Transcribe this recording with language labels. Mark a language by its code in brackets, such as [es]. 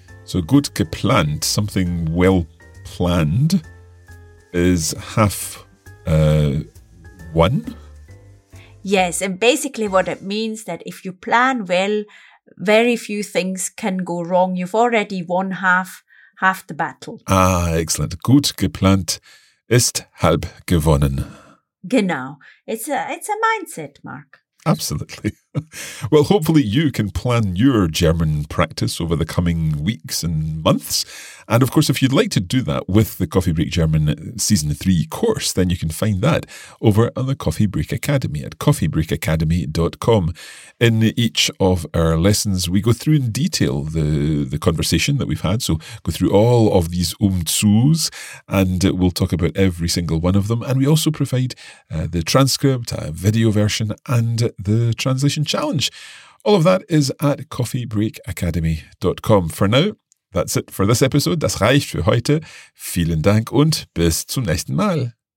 [de] So gut geplant, [en] something well planned, is half won. Yes, and basically what it means that if you plan well, very few things can go wrong. You've already won half the battle. Ah, excellent. [de] Gut geplant ist halb gewonnen. [en] Genau. It's a mindset, Mark. Absolutely. Well, hopefully you can plan your German practice over the coming weeks and months. And of course, if you'd like to do that with the Coffee Break German Season 3 course, then you can find that over on the Coffee Break Academy at coffeebreakacademy.com. In each of our lessons, we go through in detail the conversation that we've had. So go through all of these Umzus and we'll talk about every single one of them. And we also provide the transcript, a video version and the translation challenge. All of that is at coffeebreakacademy.com. For now, that's it for this episode. [de] Das reicht für heute. Vielen Dank und bis zum nächsten Mal.